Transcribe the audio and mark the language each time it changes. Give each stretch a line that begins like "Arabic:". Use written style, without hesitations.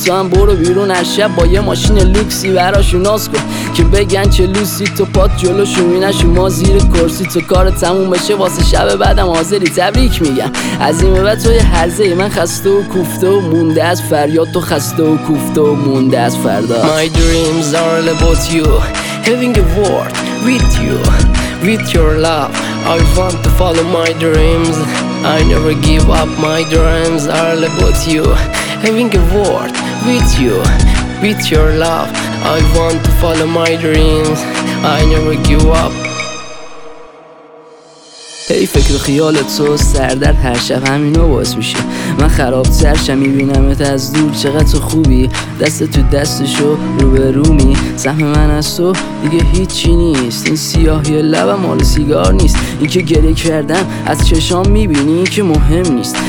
Persian: تو هم برو بیرون هر شب با یه ماشین لوکسی براشون ناز کن، که بگن چه لوسی تو پات جلو شومینش و ما زیر کرسی. تو کار تموم بشه واسه شب بعدم حاضری، تبریک میگم. از این به بعد توی هرزه من خسته و کوفته و مونده از فریاد، تو خسته و کوفته و مونده از فردا.
English: My dreams are all about you, having a word with you, with your love I want to follow my dreams. I never give up, my dreams are all about you, having a word with you, with your love I want to follow my dreams. I never give up.
Persian: هی فکر خیال تو سردر، هر شب همینو باعث میشه من خراب ترشم. میبینمت از دور چقدر تو خوبی، دست تو دستشو روبرومی. سهم من از تو دیگه هیچی نیست، این سیاهی لبم مال سیگار نیست، این که گریه کردم از چشام میبینی این که مهم نیست.